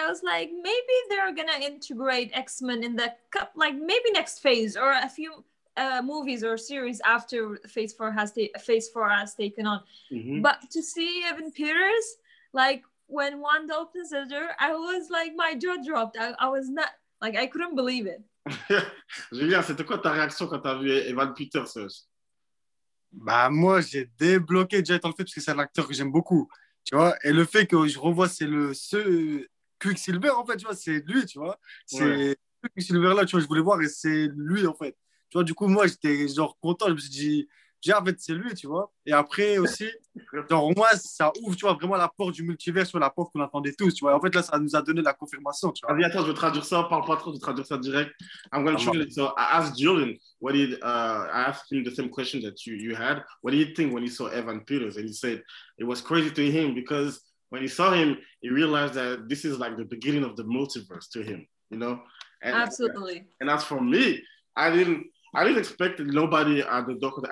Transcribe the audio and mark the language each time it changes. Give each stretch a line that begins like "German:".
English: I was like, maybe they're gonna integrate X-Men in the cup, like maybe next phase or a few movies or series after Phase 4 has taken on. Mm-hmm. But to see Evan Peters, like when Wanda opens the door, I was like, my jaw dropped. I was not, like, I couldn't believe it.
French: Julien, c'était quoi ta réaction quand t'as vu Evan Peters? Bah moi j'ai débloqué déjà étant le fait parce que c'est un acteur que j'aime beaucoup, tu vois, et le fait que je revois c'est ce Quicksilver en fait, tu vois, c'est lui, tu vois, c'est ouais. Quicksilver là, tu vois, je voulais voir et c'est lui en fait, tu vois, du coup moi j'étais genre content, je me suis dit, en fait c'est lui, tu vois, et après aussi Genre, au moins, ça ouvre, tu vois, vraiment la porte du multivers sur la porte qu'on attendait tous, tu vois. En fait, là, ça nous a donné la confirmation, tu vois. Allez, attends, je vais traduire ça. Parle pas trop, je vais traduire ça direct.
English: I'm going to translate. So, I asked Julian, what did, I asked him the same question that you had. What did he think when he saw Evan Peters? And he said, it was crazy to him because when he saw him, he realized that this is like the beginning of the multiverse to him, you know? And, absolutely. And as for me, I didn't expect nobody at the doctor.